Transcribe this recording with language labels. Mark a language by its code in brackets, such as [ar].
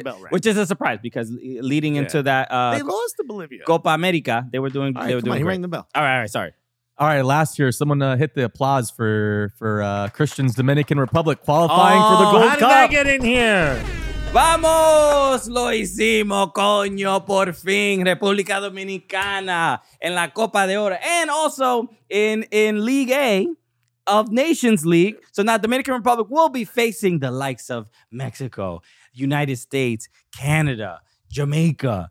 [en] Which is a surprise because leading into that... they lost to Bolivia. Copa America, they were doing great. He rang the bell. All right, sorry. All right, last year, someone hit the applause for Christian's Dominican Republic qualifying for the Gold Cup. How did Cup. I get in here? [es] Vamos, lo hicimos, coño, por fin, República Dominicana, en la Copa de Oro. [en] And also in League A of Nations League. So now Dominican Republic will be facing the likes of Mexico, United States, Canada, Jamaica.